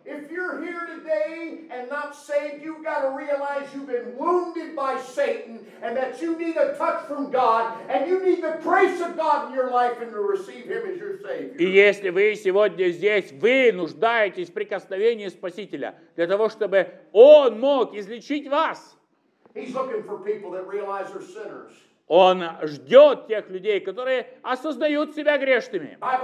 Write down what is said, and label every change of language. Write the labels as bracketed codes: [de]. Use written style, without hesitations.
[ru] И если вы сегодня здесь, вы нуждаетесь в прикосновении Спасителя для того, чтобы Он мог излечить вас. [en] He's looking for people that realize they're sinners. [ru] Он ждет тех людей, которые осознают себя грешными.